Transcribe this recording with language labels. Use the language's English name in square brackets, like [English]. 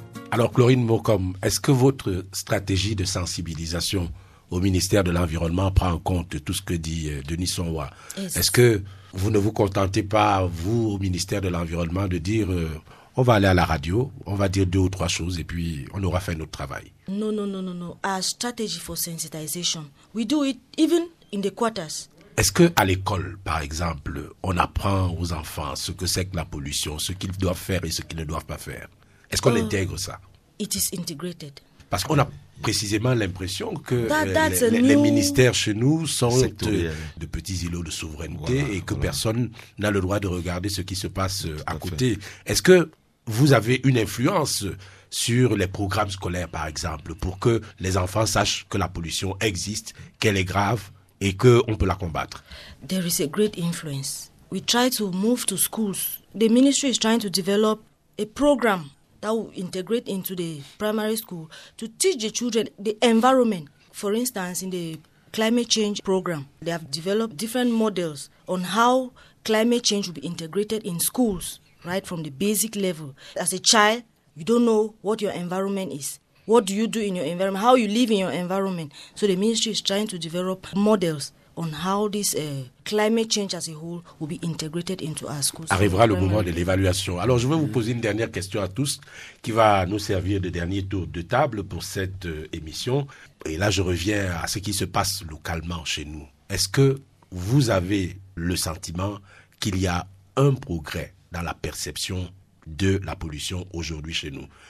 [French] Alors, Clorine Mokom, est-ce que votre stratégie de sensibilisation au ministère de l'Environnement prend en compte tout ce que dit Denis Sonwa? Est-ce que vous ne vous contentez pas, vous, au ministère de l'Environnement, de dire on va aller à la radio, on va dire deux ou trois choses et puis on aura fait notre travail? Non. [English] Our strategy for sensitization, we do it even in the quarters. [French] Est-ce qu'à l'école, par exemple, on apprend aux enfants ce que c'est que la pollution, ce qu'ils doivent faire et ce qu'ils ne doivent pas faire? Est-ce qu'on intègre ça? [English] It is integrated. [French] Parce qu'on a précisément l'impression que les ministères chez nous sont de petits îlots de souveraineté, voilà, et que personne n'a le droit de regarder ce qui se passe à côté. Est-ce que vous avez une influence sur les programmes scolaires, par exemple, pour que les enfants sachent que la pollution existe, qu'elle est grave et qu'on peut la combattre? [English] There is a great influence. We try to move to schools. The ministry is trying to develop a program that will integrate into the primary school to teach the children the environment. For instance, in the climate change program, they have developed different models on how climate change will be integrated in schools, right from the basic level. As a child, you don't know what your environment is. What do you do in your environment? How you live in your environment? So the ministry is trying to develop models on how this climate change as a whole will be integrated into our schools. [French] Arrivera le moment de l'évaluation. Alors, je vais vous poser une dernière question à tous qui va nous servir de dernier tour de table pour cette émission. Et là, je reviens à ce qui se passe localement chez nous. Est-ce que vous avez le sentiment qu'il y a un progrès dans la perception de la pollution aujourd'hui chez nous?